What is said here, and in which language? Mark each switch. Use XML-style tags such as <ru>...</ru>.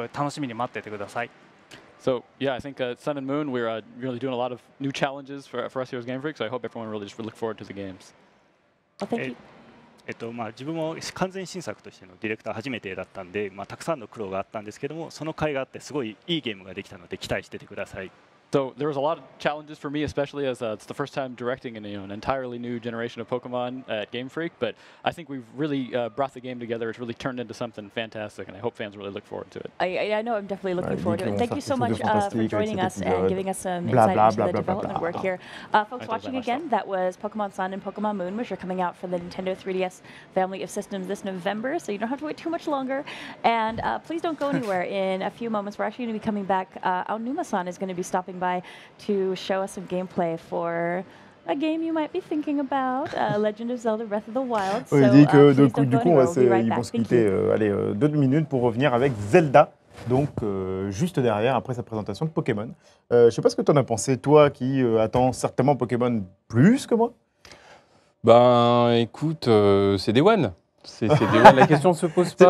<en>So yeah, I think Sun and Moon, we're really doing a lot of new challenges for us here as Game Freak, so I hope everyone really just look forward to the games. Thank you.</en> <ja>自分も完全新作としてのディレクター初めてだったんで、たくさんの苦労があったんですけども、その甲斐があってすごいいいゲームができたので期待しててください。</ja> <en>So there was a lot of challenges for me, especially as it's the first time directing an entirely new generation of Pokemon at Game Freak, but I think we've really brought the game together. It's really turned into something fantastic, and I hope fans really look forward to it. I know I'm definitely looking forward to it. Thank you so much for joining us and giving us some insight into the development work here. Folks watching again, that was Pokemon Sun and Pokemon Moon, which are coming out for the Nintendo 3DS family of systems this November, so you don't have to wait too much longer. And please don't go anywhere. In a few moments, we're actually going to be coming back. Aonuma-san is going to be stopping by to show us some gameplay for a game you might be thinking about, Legend of Zelda Breath of the Wild.</en> <fr>So, il dit que ils vont se quitter 2 minutes pour revenir avec Zelda, donc juste derrière, après sa présentation de Pokémon. Je ne sais pas ce que tu en as pensé, toi qui attends certainement Pokémon plus que moi. Ben écoute, c'est Day One. C'est la question se pose pas.</fr>